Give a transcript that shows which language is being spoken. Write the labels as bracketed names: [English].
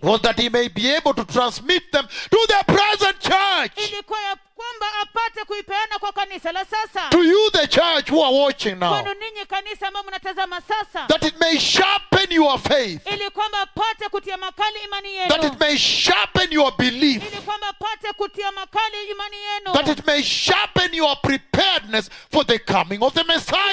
[English] Was that he may be able to transmit them to the present church. [Swahili] Ilikuwa ya kwamba apate kuipeana kwa kanisa la sasa. [English] To you the church who are watching now. [Swahili] Kwenu ninyi kanisa ambao mnatazama sasa. [English] That it may sharpen your faith. [Swahili] Ili kwamba apate kutia makali imani yenu. [English] That it may sharpen your belief. [Swahili] Ili kwamba apate kutia makali imani yenu. [English] That it may sharpen your preparedness for the coming of the Messiah.